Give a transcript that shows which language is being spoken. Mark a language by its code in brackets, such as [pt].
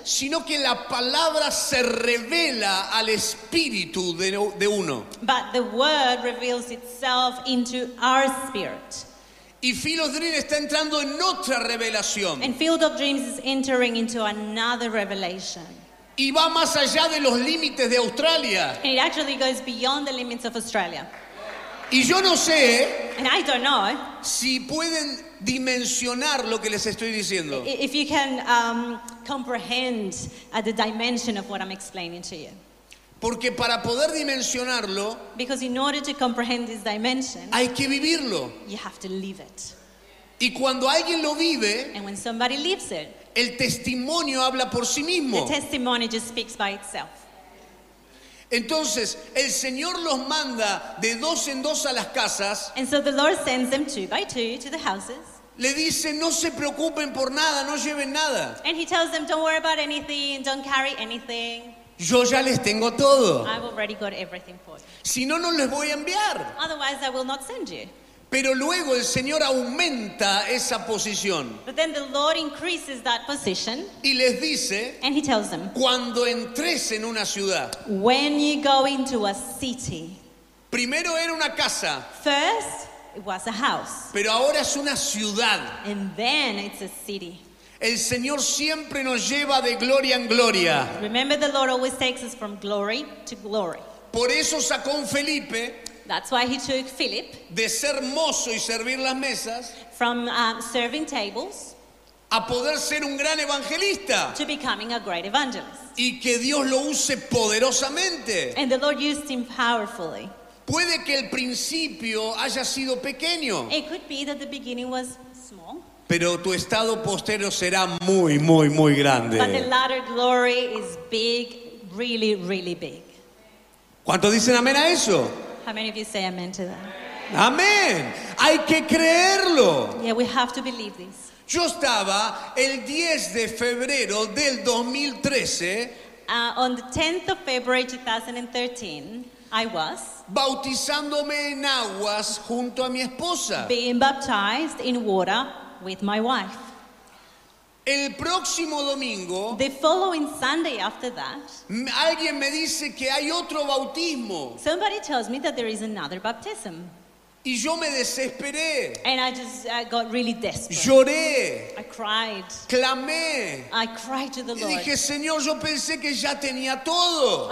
[es] sino que la palabra se revela al espíritu de uno. [en] But the word reveals itself into our spirit. [es] Y Field of Dreams está entrando en otra revelación. [en] And Field of Dreams is entering into another revelation. [es] Y va más allá de los límites de Australia. [en] And it actually goes beyond the limits of Australia. [es] Y yo no sé, [en] and I don't know, [es] si pueden dimensionar lo que les estoy diciendo. [en] If you can comprehend the dimension of what I'm explaining to you. [es] Porque para poder dimensionarlo, [en] because in order to comprehend this dimension, [es] hay que vivirlo. [en] You have to live it. [es] Y cuando alguien lo vive, [en] and when somebody lives it, [es] el testimonio habla por sí mismo. [en] The testimony just speaks by itself. [es] Entonces, el Señor los manda de dos en dos a las casas. [en] And so the Lord sends them two by two to the houses. [es] Le dice, no se preocupen por nada, no lleven nada. [en] And He tells them, don't worry about anything, don't carry anything. [es] Yo ya les tengo todo. [en] I've already got everything for you. [es] Si no, no les voy a enviar. [en] Otherwise, I will not send you. [es] Pero luego el Señor aumenta esa posición. [en] But then the Lord increases that position. [es] Y les dice, [en] and He tells them, [es] cuando entres en una ciudad, [en] when you go into a city, [es] primero era una casa, [en] first it was a house, [es] pero ahora es una ciudad, [en] and then it's a city. [es] El Señor siempre nos lleva de gloria en gloria. [en] Remember, the Lord always takes us from glory to glory. [es] Por eso sacó un Felipe. [en] That's why He took Philip, [es] de ser mozo y servir las mesas, [en] from serving tables, [es] a poder ser un gran evangelista, [en] to becoming a great evangelist. [es] Y que Dios lo use poderosamente. [en] And the Lord used him powerfully. [es] Puede que el principio haya sido pequeño. [en] It could be that the beginning was small. [es] Pero tu estado posterior será muy, muy, muy grande. [en] But the latter glory is big, really, really big. [es] ¿Cuántos dicen amén a eso? [en] How many of you say amen to that? [es] Amén. Hay que creerlo. [en] Yeah, we have to believe this. [es] Yo estaba el 10 de febrero del 2013. [en] On the 10th of February 2013, I was [es] bautizándome en aguas junto a mi esposa. [en] Being baptized in water with my wife. [es] El próximo domingo, [en] the following Sunday after that, [es] alguien me dice que hay otro bautismo. [en] Somebody tells me that there is another baptism. [es] Y yo me desesperé. [en] And I got really desperate. [es] Lloré. [en] I cried. [es] Clamé. [en] I cried to the Lord. [es] Y dije, Señor, yo pensé que ya tenía todo.